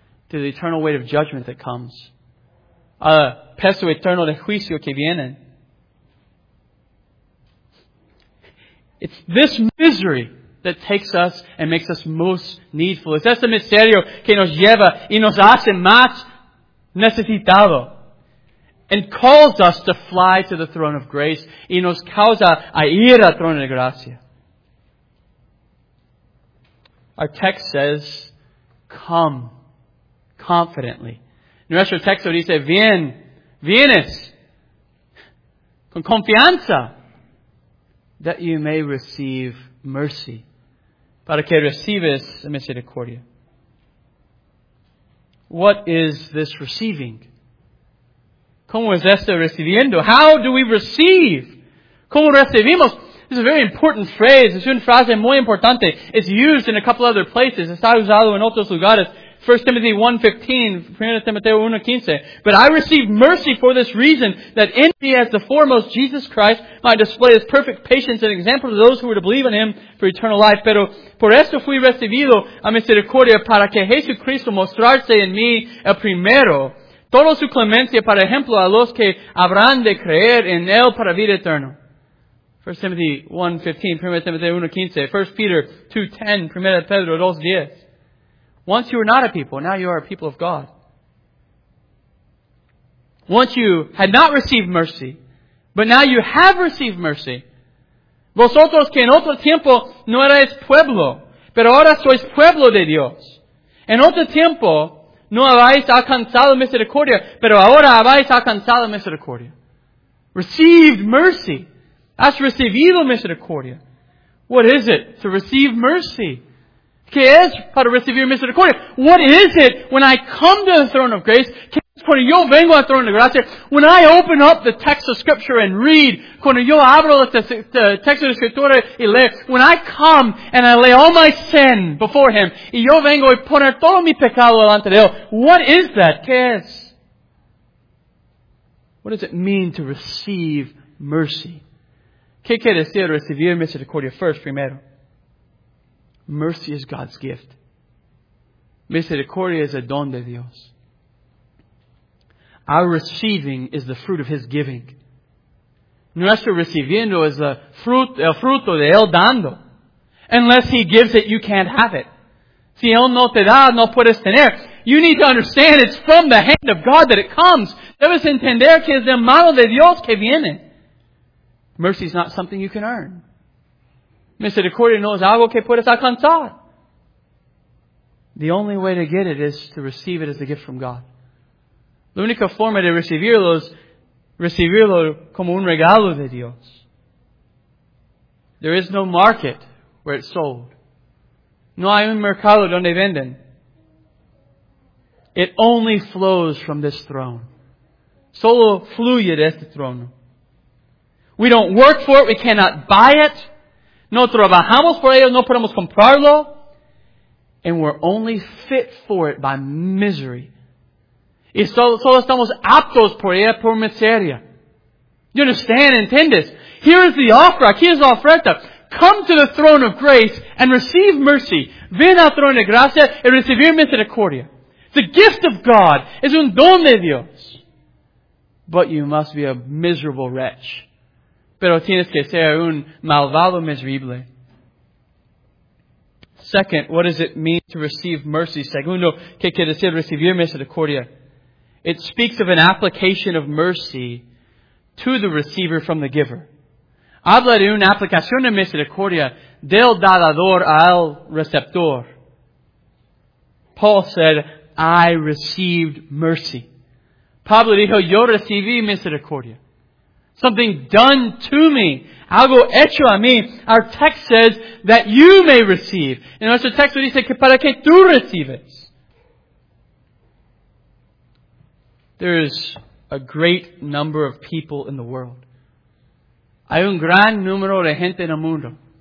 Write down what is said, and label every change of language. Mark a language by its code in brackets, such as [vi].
[en] To the eternal weight of judgment that comes. [es] A peso eterno de juicio que viene. [en] It's this misery that takes us and makes us most needful. [es] Es ese misterio que nos lleva y nos hace más necesitado. [en] And calls us to fly to the throne of grace [es] y nos causa a ir al trono de gracia. [en] Our text says, come. Confidently. [es] Nuestro texto dice, bien, vienes, con confianza, [en] that you may receive mercy, [es] para que recibes la misericordia. [en] What is this receiving? [es] ¿Cómo es esto recibiendo? [en] How do we receive? [es] ¿Cómo recibimos? [en] This is a very important phrase. [es] Es una frase muy importante. [en] It's used in a couple other places. [es] Está usado en otros lugares. 1 Timothy 1:15, 1 Timoteo 1:15. [en] But I received mercy for this reason, that in me as the foremost Jesus Christ might display his perfect patience and example to those who were to believe in him for eternal life. [es] Pero por esto fui recibido a misericordia para que Jesucristo mostrarse en mí el primero. Toda su clemencia para ejemplo a los que habrán de creer en él para vida eterna. 1 Timothy 1:15, 1 Timoteo 1:15. 1 Peter 2:10, 1 Pedro 2:10. [en] Once you were not a people, now you are a people of God. Once you had not received mercy, but now you have received mercy. [es] Vosotros que en otro tiempo no erais pueblo, pero ahora sois pueblo de Dios. En otro tiempo no habéis alcanzado misericordia, pero ahora habéis alcanzado misericordia. [en] Received mercy. [es] Has recibido misericordia. [en] What is it to receive mercy? [es] ¿Qué es para recibir misericordia? [en] What is it when I come to the throne of grace? [es] ¿Qué es cuando yo vengo al trono de gracia? [en] When I open up the text of Scripture and read, [es] cuando yo abro el texto de Escritura y leo, [en] when I come and I lay all my sin before Him, [es] y yo vengo y poner todo mi pecado delante de Él, [en] what is that? [es] ¿Qué es? [en] What does it mean to receive mercy? [es] ¿Qué quiere decir recibir misericordia? [en] First, [es] primero. [en] Mercy is God's gift. Misericordia is a [es] don de Dios. [en] Our receiving is the fruit of His giving. [es] Nuestro recibiendo es el fruto de Él dando. [en] Unless He gives it, you can't have it. [es] Si Él no te da, no puedes tener. [en] You need to understand it's from the hand of God that it comes. [es] Debes entender que es de mano de Dios que viene. [en] Mercy is not something you can earn. [es] Misericordia no es algo que puedes alcanzar. [en] The only way to get it is to receive it as a gift from God. [es] La única forma de recibirlo es recibirlo como un regalo de Dios. [en] There is no market where it's sold. [es] No hay un mercado donde venden. [en] It only flows from this throne. [es] Solo fluye de este trono. [en] We don't work for it. We cannot buy it. [es] No trabajamos por ello, no podemos comprarlo. [en] And we're only fit for it by misery. [es] Y solo estamos aptos por ella por miseria. [en] You understand? [es] ¿Entiendes? [en] Here is the offer. [es] Aquí es la oferta. [en] Come to the throne of grace and receive mercy. [es] Ven al trono de gracia y recibir misericordia. [en] The gift of God is [es] un don de Dios. [en] But you must be a miserable wretch. [es] Pero tienes que ser un malvado miserable. [en] Second, what does it mean to receive mercy? [es] Segundo, ¿qué quiere decir recibir misericordia? [en] It speaks of an application of mercy to the receiver from the giver. [es] Habla de una aplicación de misericordia del dador al receptor. [en] Paul said, I received mercy. [es] Pablo dijo, yo recibí misericordia. [en] Something done to me. [es] Algo hecho a mí. [en] Our text says that you may receive. And [es] nuestro texto dice que para que tú recibes. [en] There is a great number of people in the world. [es] Hay un gran número de gente en el mundo.